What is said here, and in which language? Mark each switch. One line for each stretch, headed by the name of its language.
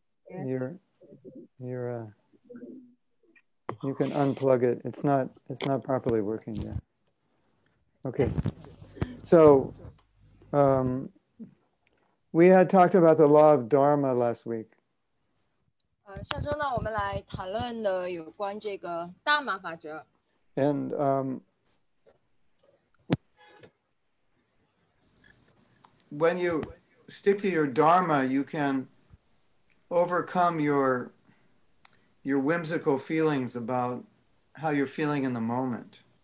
English: Yeah. You can unplug it. It's not properly working yet. Okay. So, we had talked about the law of Dharma last week.
Chinese: 上周呢，我们来谈论的有关这个大麻法则。
English: And when you stick to your Dharma, you can overcome your whimsical feelings about how you're feeling in the moment.